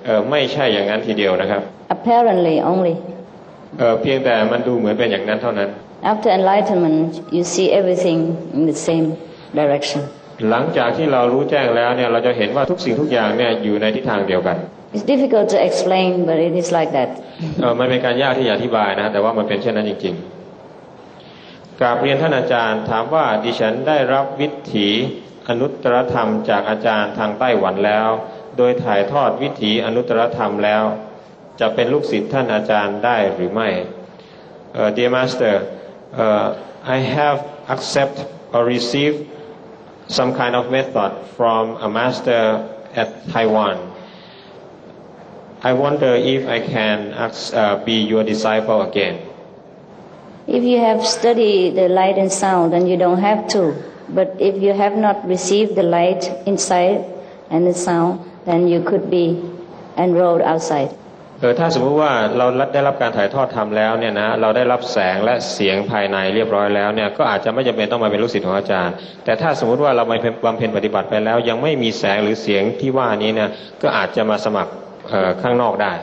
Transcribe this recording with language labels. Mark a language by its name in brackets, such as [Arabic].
[Thai] ไม่ใช่อย่างนั้นทีเดียวนะครับ [English] apparently only [Thai] เพียงแต่มันดูเหมือนเป็นอย่างนั้นเท่านั้น [English] after enlightenment you see everything in the sameDirection. [Thai] หลังจากที่เรารู้แจ้งแล้วเนี่ยเราจะเห็นว่าทุกสิ่งทุกอย่างเนี่ยอยู่ในทิศทางเดียวกัน [English] It's difficult to explain, but it is like that. [Thai] มันเป็นการยากที่จะอธิบายนะแต่ว่ามันเป็นเช่นนั้นจริงๆกราบเรียนท่านอาจารย์ถามว่าดิฉันได้รับวิถีอนุตตรธรรมจากอาจารย์ทางไต้หวันแล้วโดยถ่ายทอดวิถีอนุตตรธรรมแล้วจะเป็นลูกศิษย์ท่านอาจารย์ได้หรือไม่ [English] Dear Master, I have accept or receive some kind of method from a master at Taiwan. I wonder if I can ask, be your disciple again. If you have studied the light and sound, then you don't have to. But if you have not received the light inside and the sound, then you could be enrolled outside. [Thai] ถ้าสมมติว่าเราได้รับการถ่ายทอดธรรมแล้วเนี่ยนะเราได้รับแสงและเสียงภายในเรียบร้อยแล้วเนี่ยก็อาจจะไม่จำเป็นต้องมาเป็นลูกศิษย์ของอาจารย์แต่ถ้าสมมติว่าเราไปบำเพ็ญปฏิบัติไปแล้วยังไม่มีแสงหรือเสียงที่ว่านี้เนี่ยก็อาจจะมาสมัครข้างนอกได